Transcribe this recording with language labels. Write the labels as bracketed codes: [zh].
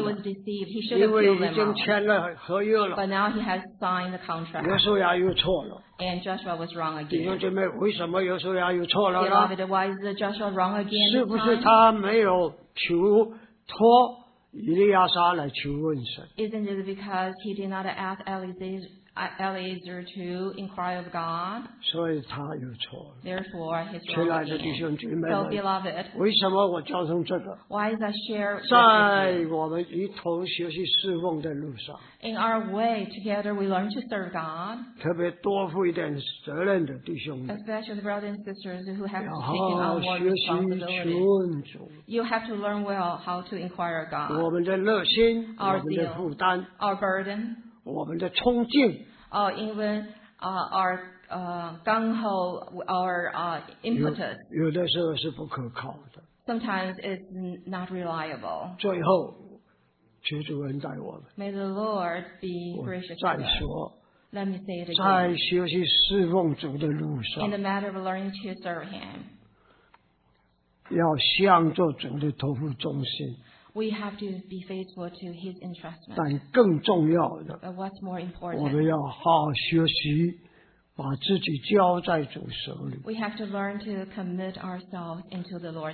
[en] He was deceived. He should have killed them all. [zh] 因为已经签了合约了。 [en] But now he has signed the contract. [zh] 约书亚又错了。 [en] And Joshua was wrong again. [zh] 弟兄姐妹，为什么约书亚又错了呢？ [en] Beloved, why is Joshua wrong again? [zh] 是不是他没有求托以利亚撒来求问神？ [en] Isn't it because he did not ask Eliezer to inquire of God? [zh] 所以他又错了。 [en] Therefore, he's wrong again. [zh] 亲爱的弟兄姐妹们， [en] so, beloved, [zh] 为什么我交通这个？ [en] Why is I share? [zh] 在我们一同学习侍奉的路上。 [en] In our way together, we learn to serve God. [zh] 特别多负一点责任的弟兄们， [en] especially the brothers and sisters who have to take on more responsibility. You have to learn well how to inquire of God. [zh] 我们的热心， [en] our [zh] 我们的负担， [en] our burden， [zh] 我们的冲劲， [en] even our [zh] 刚好 [en] our impetus. [zh] 有的时候是不可靠的。 [en] Sometimes it's not reliable. [zh] 最后。求主恩待我们。 [en] May the Lord be gracious. [zh] 再说 [en] ，Let me say it again. [zh] 在学习侍奉主的路上 [en] ，In the matter of learning to serve Him, [zh] 要向着主的托付忠心。 [en] We have to be faithful to His entrustment. [zh] 但更重要的 [en] ，But what's more important? [zh] 我们要好好学习，把自己交在主手里。 [en] We have to learn to commit ourselves into the Lord's